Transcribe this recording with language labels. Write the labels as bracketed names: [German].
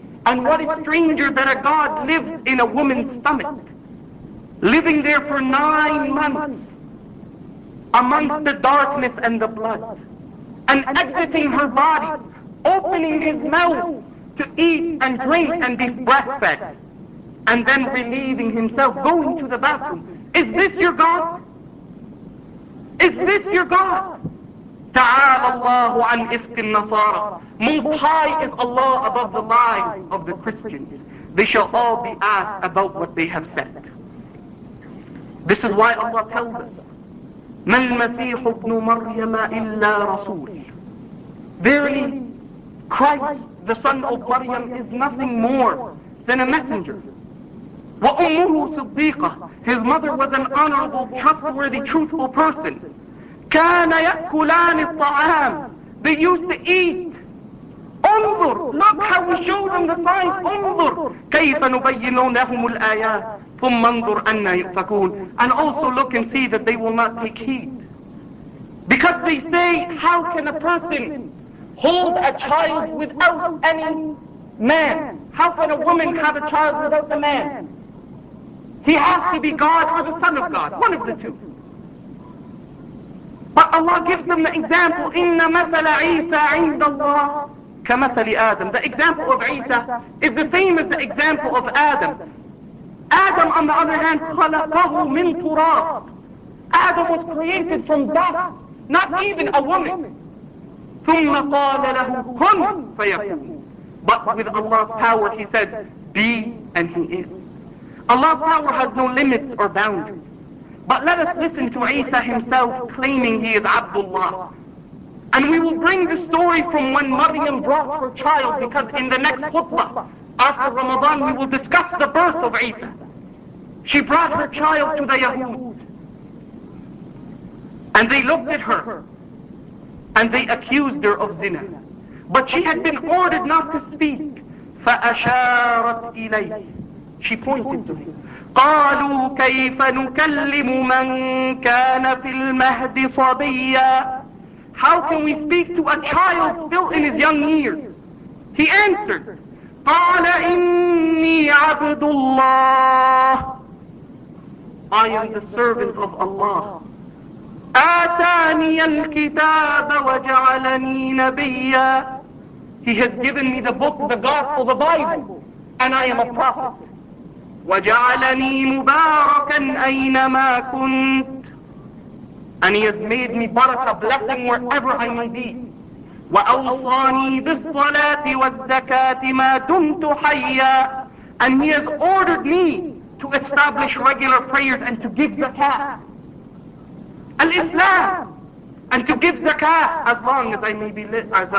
[English] And what is stranger that a God lives in a woman's stomach, living there for 9 months amongst the darkness and the blood, and exiting her body, opening his mouth to eat and drink and be breastfed, and then relieving himself, going to the bathroom. Is this your God? Is this your God? [Arabic] تعالى الله عن إفك النصارى. [English] Most high is Allah above the lies of the Christians. They shall all be asked about what they have said. This is why Allah tells us, [Arabic] ما المسيح ابن مريم إلا رسول. [English] Verily, Christ, the son of Maryam, is nothing more than a messenger. [Arabic] وَأُمُّهُ صِدِّيقَةً. [English] His mother was an honorable, trustworthy, truthful person. [Arabic] كان يأكلان الطعام. [English] They used to eat. [Arabic] انظر. [English] Look how we showed them the signs. [Arabic] انظر. كيف نبين لهم الآيات. ثم انظر أن يفكون. [English] And also look and see that they will not take heed. Because they say, how can a person hold a child without any man? How can a woman have a child without a man? He has to be God or the son of God. One of the two. But Allah gives them the example, [Arabic] إِنَّ مَثَلَ عِيسَى عِنْدَ اللَّهِ كَمَثَلِ آدَمٍ. [English] The example of Isa is the same as the example of Adam. Adam, on the other hand, [Arabic] خَلَقَهُ مِنْ تُرَابٍ. [English] Adam was created from dust, not even a woman. [Arabic] ثُمَّ قَالَ لَهُ كُنْ فَيَكُونَ. [English] But with Allah's power, he said, be, and he is. Allah's power has no limits or boundaries. But let us listen to Isa himself claiming he is Abdullah. And we will bring the story from when Maryam brought her child, because in the next khutbah, after Ramadan, we will discuss the birth of Isa. She brought her child to the Yahud. And they looked at her, and they accused her of zina. But she had been ordered not to speak. [Arabic] فَأَشَارَتْ إِلَيْهِ. [English] She pointed to him. [Arabic] قالوا كيف نكلم من كان في المهد صبيا. [English] How can we speak to a child still in his young years? He answered, [Arabic] قال إني عبد الله. [English] I am the servant of Allah. [Arabic] آتاني الكتاب وجعلني نبيا. [English] He has given me the book, the gospel, the Bible, and I am a prophet. [Arabic] وجعلني مباركا أينما كنت. [English] And he has made me barakah, blessing wherever I may be. [Arabic] وأوصاني بالصلاة والزكاة ما دمت حيا. [English] And he has ordered me to establish regular prayers and to give zakah. Al-Islam, and to give zakah as long as I may be live.